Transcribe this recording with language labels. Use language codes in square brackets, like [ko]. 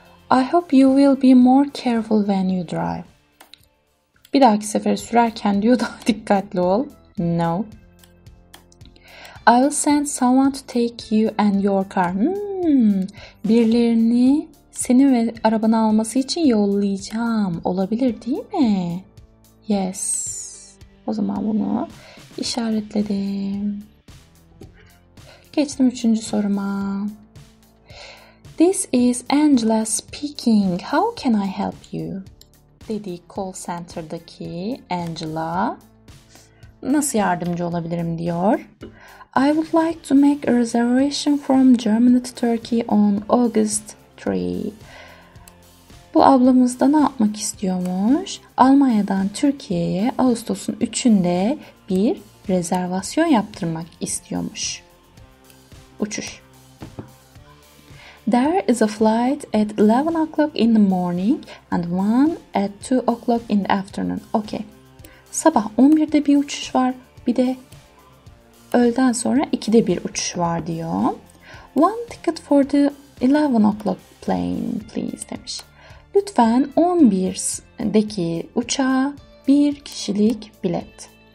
[en] I hope you will be more careful when you drive. [tr] Bir dahaki sefere sürerken diyor daha dikkatli ol. [en] No. I will send someone to take you and your car. [tr] Birilerini... Seni ve arabanı alması için yollayacağım. Olabilir değil mi? [en] Yes. [tr] O zaman bunu işaretledim. Geçtim üçüncü soruma. [en] This is Angela speaking. How can I help you? [tr] dediği call center'daki Angela nasıl yardımcı olabilirim diyor. [en] I would like to make a reservation from Germany to Turkey on August 3. [tr] Bu ablamız da ne yapmak istiyormuş? Almanya'dan Türkiye'ye Ağustos'un 3'ünde bir rezervasyon yaptırmak istiyormuş. Uçuş. [en] There is a flight at 11 o'clock in the morning and one at 2 o'clock in the afternoon. Okay. [tr] Sabah 11'de bir uçuş var, bir de öğleden sonra 2'de bir uçuş var diyor. [en] One ticket for the 11 o'clock plane please [tr] demiş. Lütfen 11'deki uçağa bir kişilik bilet.